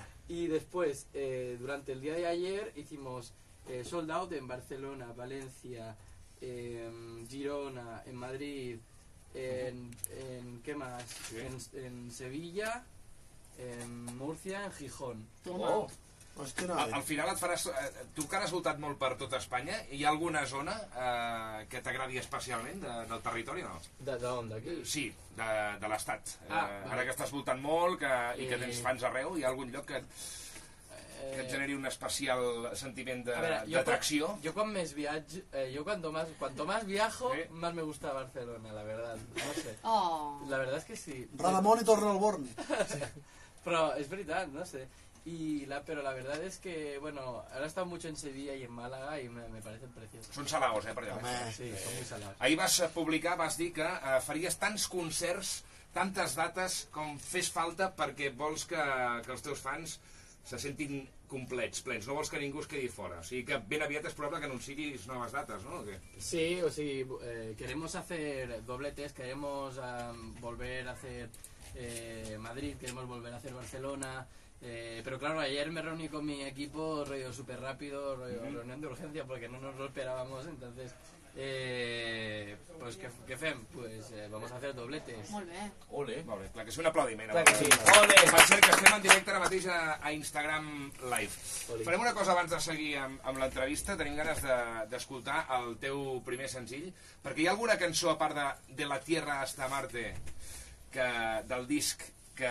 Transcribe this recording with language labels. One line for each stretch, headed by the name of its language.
Spanish: Y después, durante el día de ayer, hicimos sold out en Barcelona, Valencia, Girona, en Madrid... En ¿qué más? Sí. En Sevilla, en Murcia, en Gijón.
Catalan: Al final et faràs, tu que has voltat molt per tot Espanya, hi ha alguna zona que t'agradi especialment del territori o no? D'on, d'aquí? Sí, de l'estat. Ara que estàs voltant molt i que tens fans arreu, hi ha algun lloc que et generi un especial sentiment d'atracció.
Spanish: Yo con más viaje, yo cuanto más viajo, más me gusta Barcelona, la verdad. No sé. Oh. La verdad es que sí.
Catalan: Radamón y torna al Born.
Spanish: Pero es verdad, no sé. Pero la verdad es que, bueno, ahora he estado mucho en Sevilla y en Málaga y me parecen preciosos. Son salaos, por allá. Sí, son muy salaos.
Catalan: Ahí vas a publicar, vas dir que faries tants concerts, tantes dates com fes falta perquè vols que els teus fans se sentin complets, plens, no vols que ningú es quedi fora, o sigui que ben aviat és probable que anunciïs noves dates, no?
Spanish: Sí,
Catalan: o sigui,
Spanish: queremos hacer dobletes, queremos volver a hacer Madrid, queremos volver a hacer Barcelona, pero claro, ayer me reuní con mi equipo, rollo súper rápido, rollo reunión de urgencia, porque no nos lo esperábamos, entonces...
Catalan: pues què fem?
Spanish: Pues vamos a hacer dobletes.
Catalan: Molt bé. Ole. Clar que sí, un aplaudiment. Clar que sí. Ole. Per cert, que estem en directe ara mateix a Instagram Live. Ole. Farem una cosa abans de seguir amb l'entrevista. Tenim ganes d'escoltar el teu primer senzill, perquè hi ha alguna cançó, a part de La Tierra hasta Marte, que, del disc, que...